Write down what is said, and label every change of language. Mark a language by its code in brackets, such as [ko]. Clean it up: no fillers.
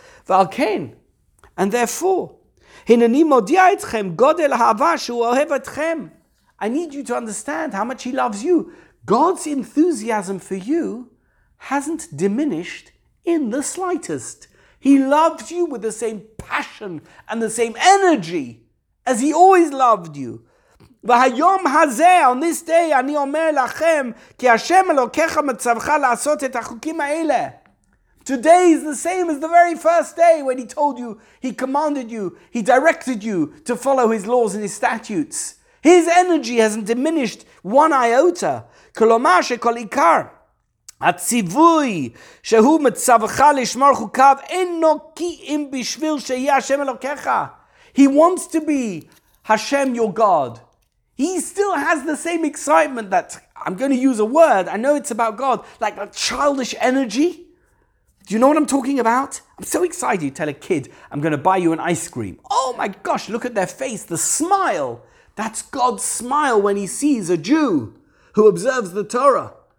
[he] V'alken, [en] and therefore, [he] hineni modia etchem godel ha'ava shu ohev etchem. [en] I need you to understand how much he loves you. God's enthusiasm for you hasn't diminished in the slightest. He loves you with the same passion and the same energy as he always loved you. [he] והיום הזה, [en] on this day, [he] אני אומר לכם, כי השם אלוקיך מצווך לעשות את החוקים האלה. [en] Today is the same as the very first day when he told you, he commanded you, he directed you to follow his laws and his statutes. His energy hasn't diminished one iota. [he] כלומר שכל עיקר הציווי שהוא מצווך לשמור חוקיו אינו כי אם בשביל שיהיה השם אלוקיך. [en] He wants to be Hashem your God. He still has the same excitement that, I'm going to use a word, I know it's about God, like a childish energy. Do you know what I'm talking about? I'm so excited to tell a kid, I'm going to buy you an ice cream. Oh my gosh, look at their face, the smile. That's God's smile when he sees a Jew who observes the Torah.